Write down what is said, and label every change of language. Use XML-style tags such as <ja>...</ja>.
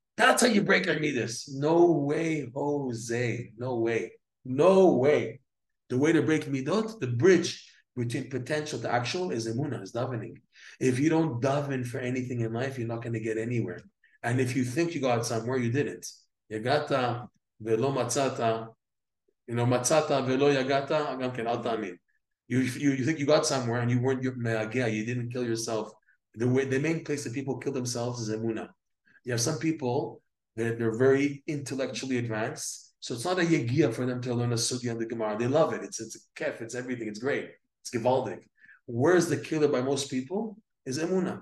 <en>That's how you break your midas. No way, Jose. No way. No way. The way to break midot, the bridge between potential to actual, is emuna, is davening. If you don't daven for anything in life, you're not going to get anywhere. And if you think you got somewhere, you didn't. You got</en> <he>ולא מצאת, לא מצאת ולא יגעת, גם כן, אל תאמין.</he> <en>You think you got somewhere and you weren't me'agea, you didn't kill yourself. The main place that people kill themselves is emuna. You have some people that they're very intellectually advanced, so it's not a yegia for them to learn a sugya and the gemara. They love it. It's a kef, it's everything, it's great. It's gewaldig. Where's the killer by most people? Is emuna.</en>